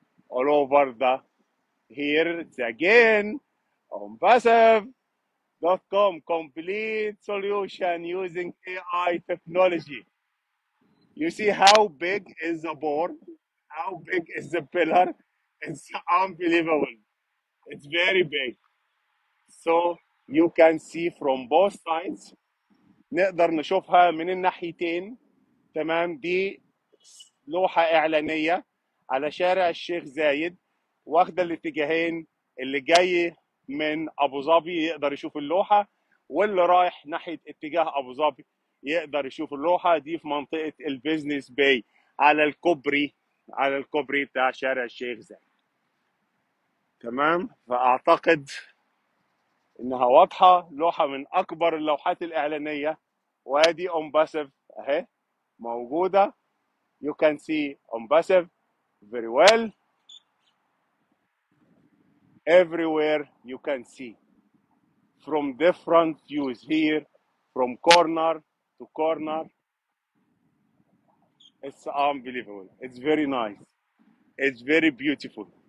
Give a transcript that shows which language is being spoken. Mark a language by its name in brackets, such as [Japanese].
[English] all over the here it's again ONPASSIVE.com, complete solution using AI technology. You see how big is the board How big is the pillar? It's unbelievable. It's very big. So you can see from both sides. [Arabic] نقدر نشوفها من الناحيتين. تمام؟ دي لوحة إعلانية على شارع الشيخ زايد واخدة الاتجاهين اللي جاي من أبو ظبي يقدر يشوف اللوحة واللي رايح ناحية اتجاه أبو ظبي يقدر يشوف اللوحة دي في منطقة البيزنس باي على الكوبري على الكوبري بتاع شارع الشيخ زايد. تمام؟ فأعتقد إنها واضحة لوحة من أكبر اللوحات الإعلانية وادي أنباسيف أهي موجودة. [English] You can see ONPASSIVE very well. Everywhere you can see from different views here, from corner to corner. It's unbelievable. It's very nice. It's very beautiful.